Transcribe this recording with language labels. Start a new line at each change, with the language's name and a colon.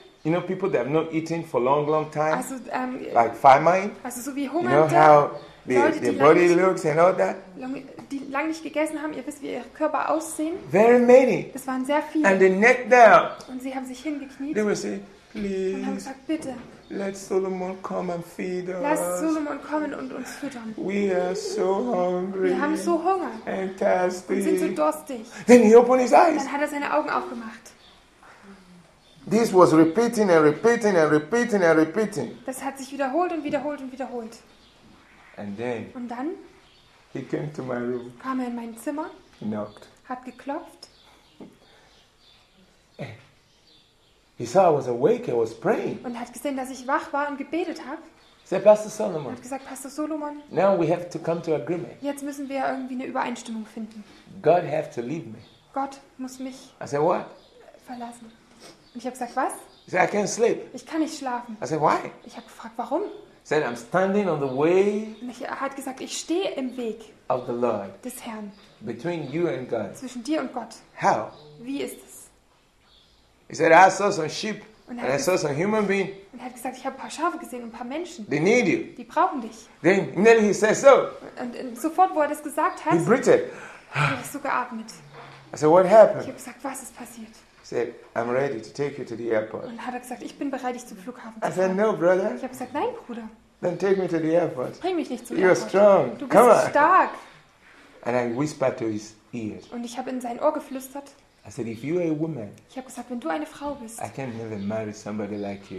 English: you know, people that have not eaten for long, long time,
German: also,
English: like famine,
German: also so wie Hunger,
English: you know how their body looks and all that.
German: Die lange nicht gegessen haben, ihr wisst, wie ihre Körper aussehen.
English: Very many.
German: Das waren sehr viele.
English: And they knelt down.
German: Und sie haben sich hingekniet.
English: They were saying, please.
German: Und haben gesagt, bitte.
English: Let Solomon come and feed us.
German: Lass Solomon kommen und uns füttern.
English: We are so hungry.
German: Wir haben so Hunger.
English: And thirsty.
German: Und sind so durstig.
English: Then he opened his eyes.
German: Dann hat er seine Augen aufgemacht.
English: This was repeating and repeating and repeating and repeating.
German: Das hat sich wiederholt und wiederholt und wiederholt.
English: And then.
German: Und dann.
English: He came to my room.
German: Kam er in mein Zimmer.
English: Knocked.
German: Hat geklopft.
English: He saw I was awake, I was praying.
German: Und hat gesehen, dass ich wach war und gebetet habe.
English: Said Pastor Solomon.
German: Hat gesagt, Pastor Solomon.
English: Now we have to come to agreement.
German: Jetzt müssen wir irgendwie eine Übereinstimmung finden.
English: God have to leave me.
German: Gott muss mich.
English: I said what?
German: Verlassen. Und ich habe gesagt, was?
English: He said I can't sleep.
German: Ich kann nicht schlafen.
English: I said why?
German: Ich habe gefragt, warum?
English: He said I'm standing on the way.
German: Er hat gesagt, ich stehe im Weg.
English: Of the Lord.
German: Des Herrn.
English: Between you and God.
German: Zwischen dir und Gott.
English: How?
German: Wie ist es?
English: He said I saw some sheep. And I saw some human being.
German: Und er hat gesagt, ich habe ein paar Schafe gesehen und ein paar Menschen.
English: They need you.
German: Die brauchen dich.
English: Then he says so.
German: Und sofort, wo er das gesagt hat,
English: he breathed.
German: Habe ich so geatmet.
English: I said, what happened?
German: Ich habe gesagt, was ist passiert?
English: He said, I'm ready to take you to the airport.
German: Und hat er gesagt, ich bin bereit, dich zum Flughafen zu bringen.
English: I said, no, brother.
German: Ich habe gesagt, nein, Bruder.
English: Then take me to the airport.
German: Bring mich nicht zum
English: Airport. You're strong.
German: Du bist stark.
English: And I whispered to his ear.
German: Und ich habe in sein Ohr geflüstert.
English: I said, if you are a woman,
German: ich habe gesagt, wenn du eine Frau bist,
English: I can never marry somebody like you.